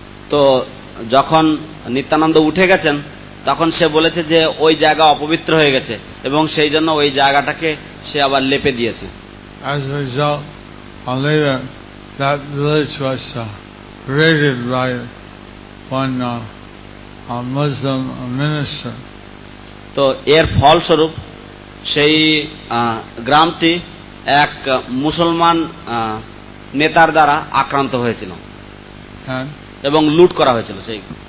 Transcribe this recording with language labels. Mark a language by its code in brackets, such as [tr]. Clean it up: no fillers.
[bn] তো যখন নিত্যানন্দ উঠে গেছেন, তখন সে বলেছে যে ওই জায়গা অপবিত্র হয়ে গেছে এবং সেই জন্য ওই জায়গাটাকে সে আবার লেপে দিয়েছে। [en] As a result, later, that village was raided by one a Muslim minister. [bn] তো এর ফলস্বরূপ সেই গ্রামটি এক মুসলমান নেতার দ্বারা আক্রান্ত হয়েছিল এবং লুট করা হয়েছিল সেই